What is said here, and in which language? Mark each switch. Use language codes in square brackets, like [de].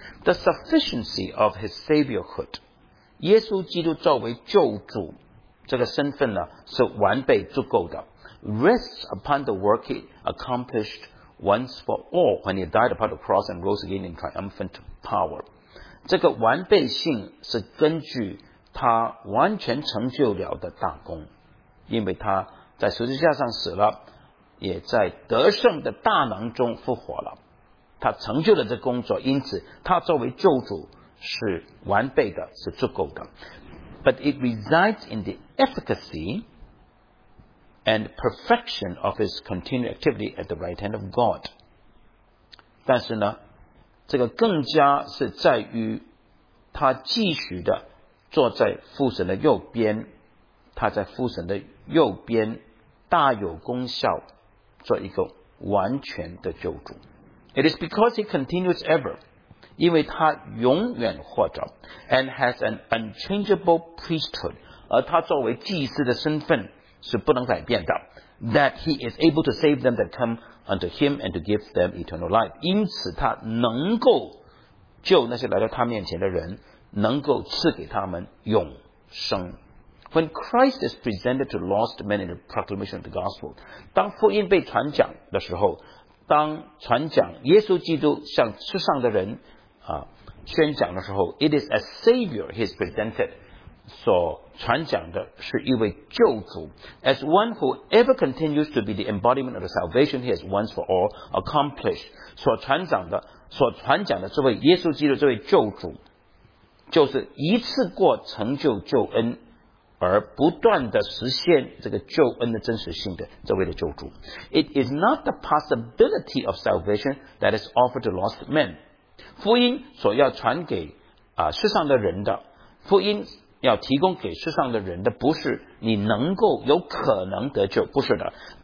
[en] The sufficiency of his saviorhood, [zh] 耶稣基督作为救主这个身份呢，是完备足够的。 [en] Rests upon the work he accomplished. Once for all, when he died upon the cross and rose again in triumphant power. [zh] 这个完备性是根据他完全成就了的大功，因为他在十字架上死了，也在得胜的大能中复活了。他成就了这工作，因此他作为救主是完备的，是足够的。 [en] But it resides in the efficacyand perfection of his continued activity at the right hand of God. [zh] 但是呢，这个更加是在于他继续的坐在父神的右边，他在父神的右边大有功效，做一个完全的救主。 [en] It is because he continues ever, [zh] 因为他永远活着 [en] and has an unchangeable priesthood, [zh] 而他作为祭司的身份是不能改变的 [en] that he is able to save them that come unto him and to give them eternal life. [zh] 因此他能够救那些来到他面前的人，能够赐给他们永生。 [en] When Christ is presented to lost men in the proclamation of the gospel, [zh] 当福音被传讲的时候， [en] 当传讲耶稣基督向世上的人宣讲的时候 ，it is a savior he is presented. [zh] 所传讲的是一位救主 [en] ，as one who ever continues to be the embodiment of the salvation he has once for all accomplished. [zh] 所传讲的这位耶稣基督这位救主，就是一次过成就救恩。而不断地实现这个救恩的真实性的这位的救主 [en] It is not the possibility of salvation that is offered to lost men [zh] 福音所要传给世上的人的福音要提供给世上的人的不是你能够有可能得救不是的